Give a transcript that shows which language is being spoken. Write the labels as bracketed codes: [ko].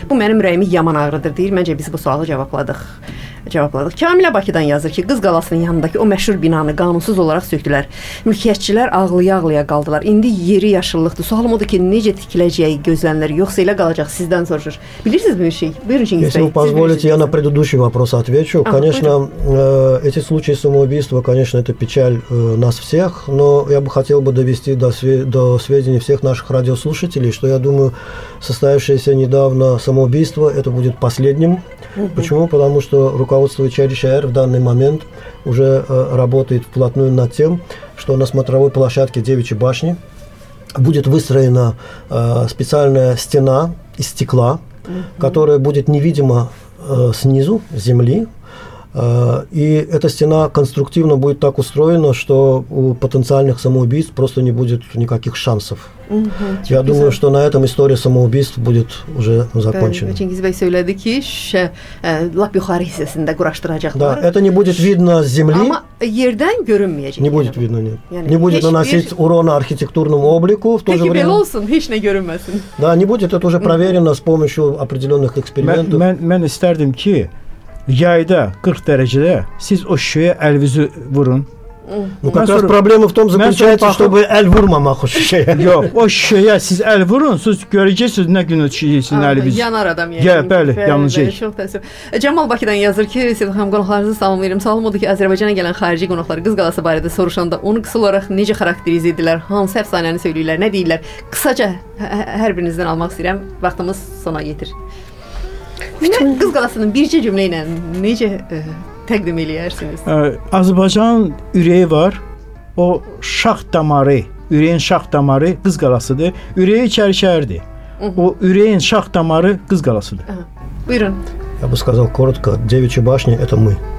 [az] Bu mənim ürəyimi yaman ağrıdır, deyir. Məncə biz bu sualı cavabladıq. Kamilə Bakıdan yazır ki, Qız Qalasının yanındakı o məşhur binanı qanunsuz olaraq sökdülər. Mülkiyyətçilər ağlaya-ağlaya qaldılar. İndi yeri yaşıllıqdır. Sualım odur ki, necə tikiləcəyi gözlənilir, yoxsa elə qalacaq, sizdən soruşur. Bilirsiniz bir şey? Buyurun, Çingiz Bey. [ru] Если вы позволите, я на предыдущий вопрос отвечу. Конечно, эти случаи самоубийства, конечно, это печаль нас всех, но я бы хотел бы довести до сведений всех наших радиослушателей, что я думаю, состоявшееся недавно самоубийство, это будет последним. Почему? Потому что руководство ЧРШР в данный момент уже работает вплотную над тем, что на смотровой площадке Девичьей башни будет выстроена специальная стена из стекла, которая будет невидима снизу, с земли. И эта стена конструктивно будет так устроена, что у потенциальных самоубийств просто не будет никаких шансов. Я думаю, что на этом история самоубийств будет уже закончена. [az] Чингиз бей söyledi ki, lap yukarı hissəsində quraşdıracaqlar. [ru] Да, это не будет видно с земли. [az] Ama yerdən görünməyəcək. [ru] Не будет видно, нет. Не будет наносить урона архитектурному облику в то же время. [az] Peki belə olsun, heç nə görünməsin. [ru] Да, не будет, это уже проверено с помощью определенных экспериментов. [az] Мен istərdim ki, yayda 40 dərəcədə siz o şüşəyə əlvizi vurun. [ru] Ну, как раз проблема в том заключается, чтобы [az] эль вурмамаху шишеге. Yox, o şişəyə siz əl vurun, siz görəcəksiniz nə günə çiyəsin əlimiz. Yanar adam yəni. Yeah, bəli, yanacaq. Bəli, çox təəssüf. Cəmal Bakıdan yazır ki, Sevxan qonaqlarınızı salamlayıram. Salam odur ki, Azərbaycana gələn xarici qonaqları Qız Qalası barədə soruşanda onu qısa olaraq necə xarakterizə edirlər, hansı əfsanəni söyləyirlər, nə deyirlər? Qısaca hər birinizdən almaq istəyirəm. Vaxtımız sona yetir. Qız Qalasının bircə cümlə ilə necə təqdim eləyərsiniz? Azərbaycan ürəyi var. o şax damarı, ürəyin şax damarı qız qalasıdır. Ürəyi içəri şəhərdir. O ürəyin şax damarı qız qalasıdır. Buyurun. [ru] Я бы сказал коротко, девичья башня – это мы.